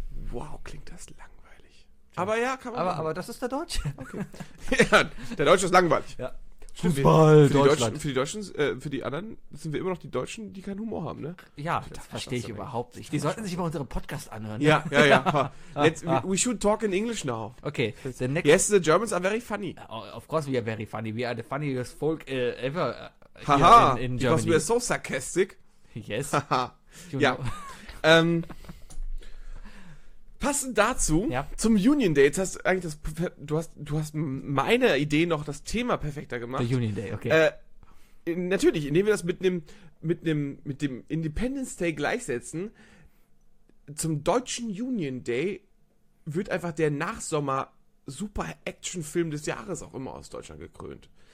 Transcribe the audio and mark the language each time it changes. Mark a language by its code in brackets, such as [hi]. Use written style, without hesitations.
[de] Wow, klingt das langweilig. Aber ja, kann man. Aber das ist der Deutsche. Okay. Ja, der Deutsche ist langweilig. Ja. Fußball, Deutschland. Für die Deutschen, für die anderen sind wir immer noch die Deutschen, die keinen Humor haben, ne? Ja, das verstehe ich überhaupt nicht. Die sollten sich mal unseren Podcast anhören. Ja, ne? Ja. [en] We should talk in English now. Okay. Yes, the Germans are very funny. Of course we are very funny. We are the funniest folk ever. Haha, in Germany. Because we are so sarcastic. Yes. [de] Haha. Ja. Passend dazu, zum Union Day, jetzt hast du eigentlich du hast meine Idee noch das Thema perfekter gemacht. Der Union Day, okay. Natürlich, indem wir das mit dem Independence Day gleichsetzen, zum deutschen Union Day wird einfach der Nachsommer-Super-Action-Film des Jahres auch immer aus Deutschland gekrönt.